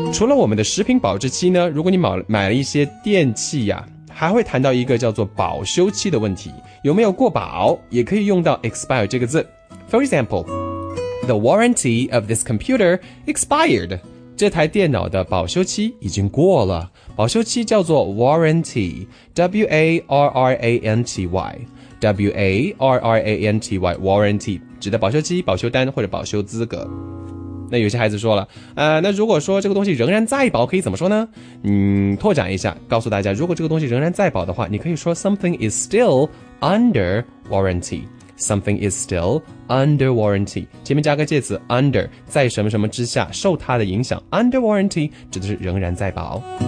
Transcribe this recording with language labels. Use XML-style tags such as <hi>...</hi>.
<zh>除了我们的食品保质期呢，如果你买了一些电器呀，还会谈到一个叫做保修期的问题，有没有过保也可以用到 expire 这个字。</zh> <en>For example, the warranty of this computer expired,</en> <zh>这台电脑的保修期已经过了。保修期叫做 warranty, W-A-R-R-A-N-T-Y, W-A-R-R-A-N-T-Y, warranty, 指的保修期、保修单或者保修资格。那有些孩子说了，那如果说这个东西仍然在保可以怎么说呢？拓展一下，告诉大家，如果这个东西仍然在保的话，你可以说</zh> <en>something is still under warranty,</en> <zh>something is still</zh> <en>under warranty,</en> <zh>前面加个介词 under, 在什么什么之下受它的影响， under warranty 指的是仍然在保。</zh>